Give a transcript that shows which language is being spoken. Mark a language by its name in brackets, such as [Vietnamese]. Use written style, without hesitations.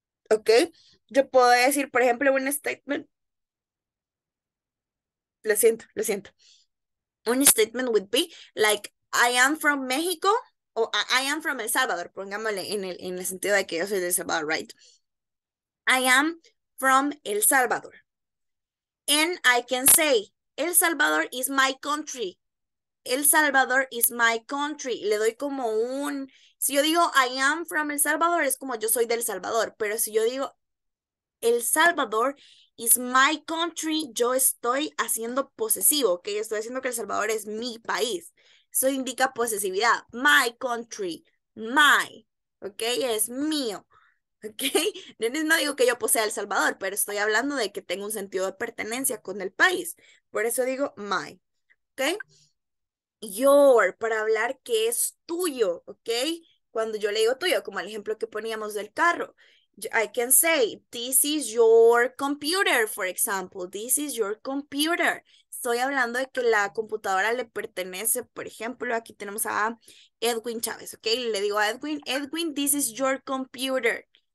[Spanish] ¿Ok? Yo puedo decir, por ejemplo, un statement. Lo siento. Un [English] statement would be like, I am from Mexico o I am from El Salvador. [Spanish] Pongámosle en el sentido de que yo soy de El Salvador, right? [English] I am from El Salvador. And I can say, El Salvador is my country. El Salvador is my country. [Spanish] Le doy como un... Si yo digo, [English] I am from El Salvador, [Spanish] es como yo soy del Salvador. Pero si yo digo, [English] El Salvador is my country, [Spanish] yo estoy haciendo posesivo, ¿ok? Estoy haciendo que El Salvador es mi país. Eso indica posesividad. [English] My country. [Spanish] My. ¿Ok? Es mío. ¿Ok? No digo que yo posea El Salvador, pero estoy hablando de que tengo un sentido de pertenencia con el país. Por eso digo my, ¿ok? Your, para hablar que es tuyo, ¿ok? Cuando yo le digo tuyo, como el ejemplo que poníamos del carro. [English] I can say, this is your computer, for example. This is your computer. [Spanish] estoy hablando de que la computadora le pertenece, por ejemplo, aquí tenemos a Edwin Chávez, ¿ok? Le digo a Edwin, Edwin, [English] this is your computer.